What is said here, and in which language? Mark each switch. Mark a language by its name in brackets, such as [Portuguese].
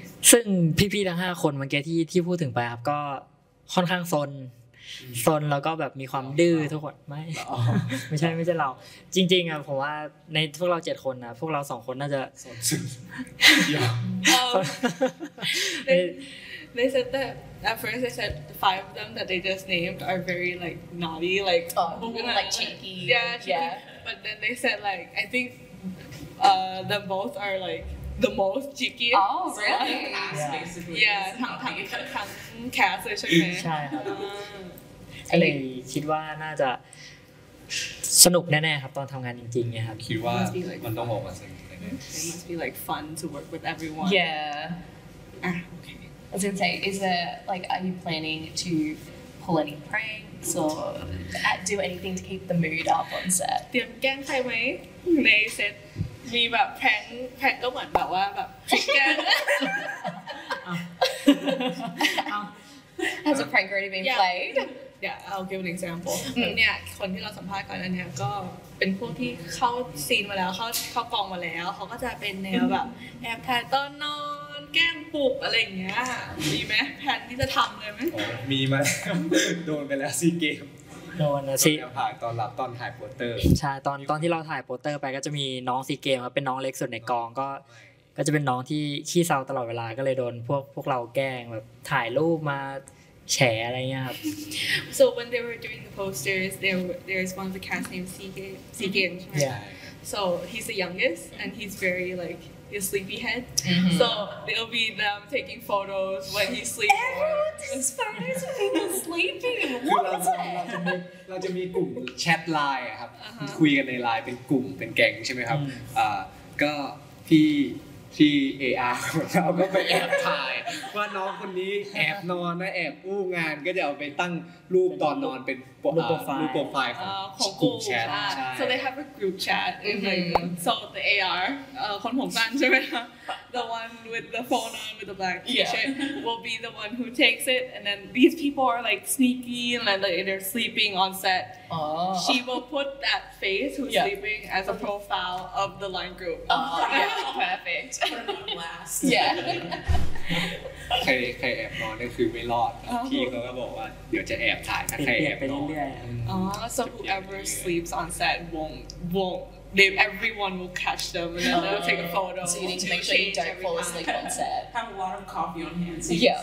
[Thai] ซึ่งพี่ๆทั้ง5คนเมื่อกี้ที่พูดถึงไปครับก็ค่อนข้างซนแล้วก็แบบมีความดื้อทุกคนไม่ใช่เราจริงๆอ่ะผมว่าในพวกเรา7คนนะพวกเรา2คนน่าจะ ซน [English] They said that at first they said the 5 of them that they just named are very like naughty like cheeky but then they said like I think them both are likeThe most cheeky. Oh, really? Cast, basically. [Thai] Yeah, ทั้งcast เลยใช่ไหม ใช่ครับ เลยคิดว่าน่าจะสนุกแน่ๆครับตอนทำงานจริงๆเนี่ยครับ คิดว่ามันต้องออกมาสนุกแน่ๆ [English] It must be like fun to work with everyone. Yeah. Okay. I was gonna say, is there, like, are you planning to pull any pranks or do anything to keep the mood up on set? [Thai] เตรียมแกล้งใครไหมในเซตมีแบบแพงก็เหมือนแบบว่าแบบ [English] แก Has a prank already been played? Yeah, I'll give an example. [Thai] เนี่ยคนที่เราสัมภาษณ์ก่อนอันเนี้ยก็เป็นพวกที่เข้าซีนมาแล้วเข้ากองมาแล้วเขาก็จะเป็นแนวแบบแอบถ่ายตอนนอนแกล้งปลุกอะไรอย่างเงี้ยมีไหมแพนที่จะทำเลยไหม มีไหมโดนไปแล้วซีเกม โดนนะ ซีถ่ายตอนหลับตอนถ่ายโปสเตอร์ ใช่ตอนที่เราถ่ายโปสเตอร์ไปก็จะมีน้องซีเกมเป็นน้องเล็กสุดในกองก็จะเป็นน้องที่ขี้เซาตลอดเวลาก็เลยโดนพวกเราแกล้งแบบถ่ายรูปมาแฉอะไรเงี้ยครับ [English] so when they were doing the posters there's one of the cast named C Game yeah so he's the youngest and he's very likehe's sleepyhead so it'll be them taking photos when he's sleeping everyone takes photos when he's sleeping what is it [Thai] เราจะมีกลุ่มแชทไลน์ครับคุยกันในไลน์เป็นกลุ่มเป็นแก๊งใช่ไหมครับก็ที่ AR ของเราก็ไปแอบถ่ายว่าน้องคนนี้แอบนอนนะแอบอู้งานก็จะเอาไปตั้งรูปตอนนอนเป็น รูปโปรไฟล์ ของกลุ่มแชท [English] so they have a group chat so the AR [Thai] คนผมสั้นใช่ไหมคะ [English] the one with the phone on with the black t-shirt will be the one who takes it and then these people are like sneaky and then they're sleeping on set she will put that face who's sleeping as a profile of the line group perfect last [Thai] ใครแอบนอนนั่นคือไม่รอดพี่เขาก็บอกว่าเดี๋ยวจะแอบถ่ายถ้าใครแอบนอน [English] so whoever sleeps on set won't they everyone will catch them and then they'll take a photo so you need to make sure you don't fall asleep on set have a lot of coffee on hand so you can